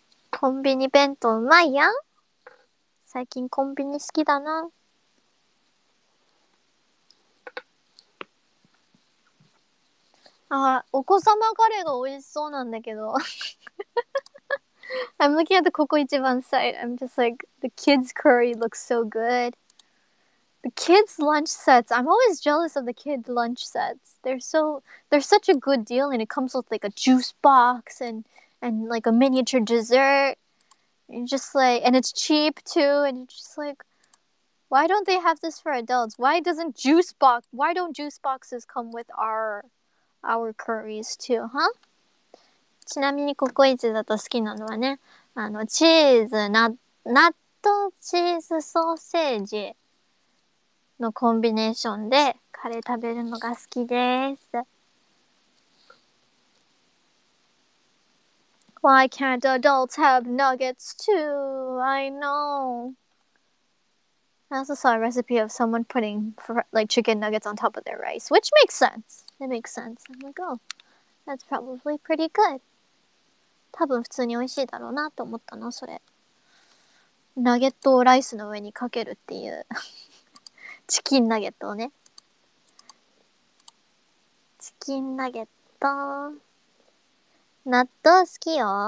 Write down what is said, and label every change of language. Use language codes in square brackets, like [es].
[ja] コンビニ弁当うまいやん。最近コンビニ好きだな。あ、お子様カレーが美味しそうなんだけど。 [en] I'm looking at the ココイチ番 site. I'm just like, the kids' curry looks so good. The kids' lunch sets. I'm always jealous of the kids' lunch sets. They're such a good deal, and it comes with like a juice box and like a miniature dessert. And just like, and it's cheap too. And it's just like, why don't they have this for adults? Why don't juice boxes come with our curries too, huh? [ja] ちなみにココイチだと好きなのはね、あのチーズ、納豆チーズソーセージのコンビネーションでカレー食べるのが好きです。 [en] Why can't adults have nuggets too? I know. I also saw a recipe of someone putting like chicken nuggets on top of their rice, which makes sense. It makes sense. I'm like, oh, that's probably pretty good. [ja] 多分普通に美味しいだろうなと思ったの、それ。ナゲットをライスの上にかけるっていう。チキンナゲットをね。チキンナゲット。納豆好きよ。